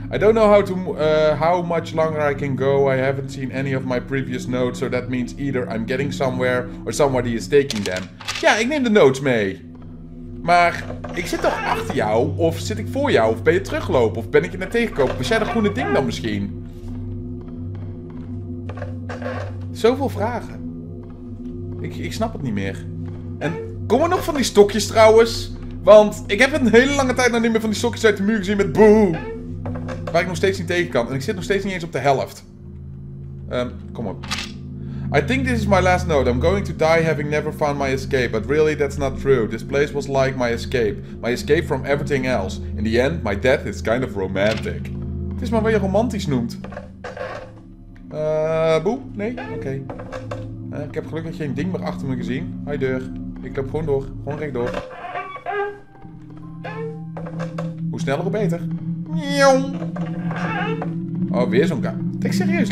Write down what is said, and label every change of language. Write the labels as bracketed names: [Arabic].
[English] I don't know how much longer I can go. I haven't seen any of my previous notes. So that means either I'm getting somewhere or somebody is taking them. [Dutch] Ja, ik neem de notes mee. Maar ik zit toch achter jou? Of zit ik voor jou? Of ben je teruggelopen? Of ben ik je net tegengekomen? Was jij dat groene ding dan misschien? Zoveel vragen. Ik snap het niet meer. En komen er nog van die stokjes trouwens? Want ik heb een hele lange tijd nog niet meer van die stokjes uit de muur gezien met boe. Waar ik nog steeds niet tegen kan. En ik zit nog steeds niet eens op de helft. Kom op. [English] I think this is my last note. I'm going to die having never found my escape. But really, that's not true. This place was like my escape. My escape from everything else. In the end, my death is kind of romantic. [Dutch] Het is maar wat je romantisch noemt. Boe? Nee? Oké. Ik heb gelukkig geen ding meer achter me gezien. Hoi deur. Ik loop gewoon door. Gewoon rechtdoor. Hoe sneller, hoe beter. Njong. Oh, weer zo'n kamer. Kijk, serieus.